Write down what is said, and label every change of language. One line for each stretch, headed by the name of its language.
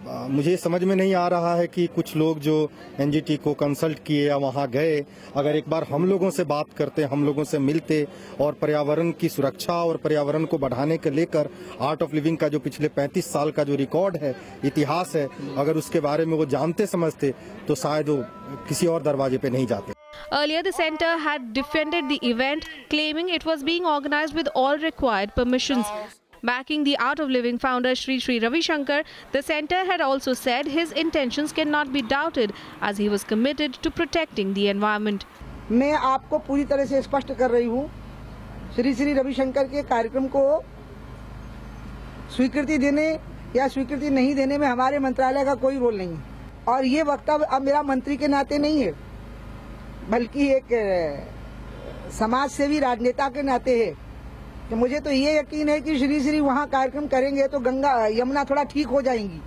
Hindi: मुझे समझ में नहीं आ रहा है कि कुछ लोग जो एनजीटी को कंसल्ट किए या वहाँ गए, अगर एक बार हम लोगों से बात करते, हम लोगों से मिलते और पर्यावरण की सुरक्षा और पर्यावरण को बढ़ाने के लेकर आर्ट ऑफ लिविंग का जो पिछले 35 साल का जो रिकॉर्ड है, इतिहास है, अगर उसके बारे में वो जानते समझते तो शायद वो किसी और दरवाजे पे नहीं जाते.
English: Earlier, the center had defended the event, claiming it was being organized with all required permissions. Backing the Art of Living founder Sri Sri Ravi Shankar, the centre had also said his intentions cannot be doubted as he was committed to protecting the environment.
Hindi: मैं आपको पूरी तरह से स्पष्ट कर रही हूँ, श्री श्री रविशंकर के कार्यक्रम को स्वीकृति देने या स्वीकृति नहीं देने में हमारे मंत्रालय का कोई रोल नहीं है। और ये वक्तव्य अब मेरा मंत्री के नाते नहीं है, बल्कि एक समाज सेवी राजनेता के नाते है कि मुझे तो ये यकीन है कि श्री श्री वहाँ कार्यक्रम करेंगे तो गंगा यमुना थोड़ा ठीक हो जाएंगी।